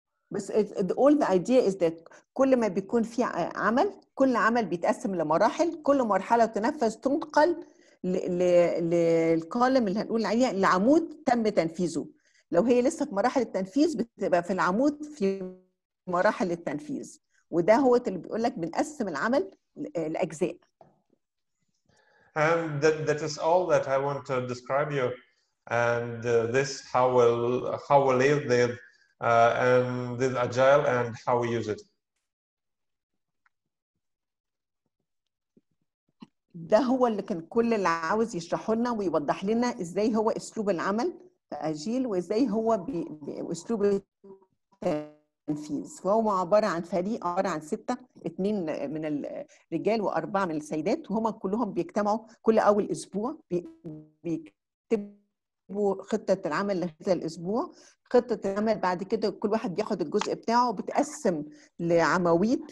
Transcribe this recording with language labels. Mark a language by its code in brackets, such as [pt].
[en] But all the idea is that [ar] كل ما بيكون في عمل, كل عمل بيتقسم لمراحل, كل مرحلة تنفذ تنقل للكولم اللي هنقول عليها العمود تم تنفيذه. لو هي لسه في مراحل التنفيذ بتبقى في العمود في مراحل التنفيذ. وده هو اللي بيقول لك بنقسم العمل لأجزاء. [en] And that is all that I want to describe you, and this how we live with and this agile and how we use it. [ar] ده هو اللي كان كل اللي عاوز يشرحه لنا ويوضح لنا ازاي هو اسلوب العمل اجيل وازاي هو باسلوب التنفيذ. وهو عباره عن فريق, عباره عن 6, 2 من الرجال و4 من السيدات, وهما كلهم بيجتمعوا كل اول اسبوع بيكتبوا خطه العمل لهذا الاسبوع, خطه العمل بعد كده كل واحد بياخد الجزء بتاعه بتقسم لعمويد.